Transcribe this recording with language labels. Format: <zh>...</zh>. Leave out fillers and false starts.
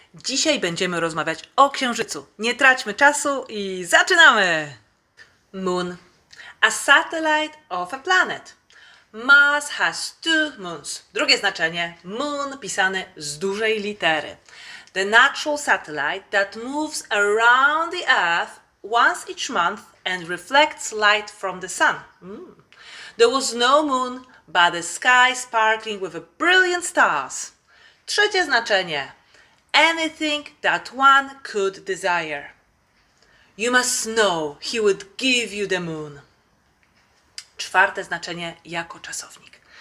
<pl>Dzisiaj będziemy rozmawiać o księżycu. Nie traćmy czasu i zaczynamy!</pl> <en>Moon. A satellite of a planet. Mars has two moons.</en> <pl>Drugie znaczenie. Moon pisane z dużej litery.</pl> <en>The natural satellite that moves around the Earth once each month and reflects light from the sun. There was no moon, but the sky sparkling with a brilliant stars.</en> <pl>Trzecie znaczenie.</pl> <en>Anything that one could desire. You must know he would give you the moon.</en> <pl>Czwarte znaczenie jako czasownik.</pl>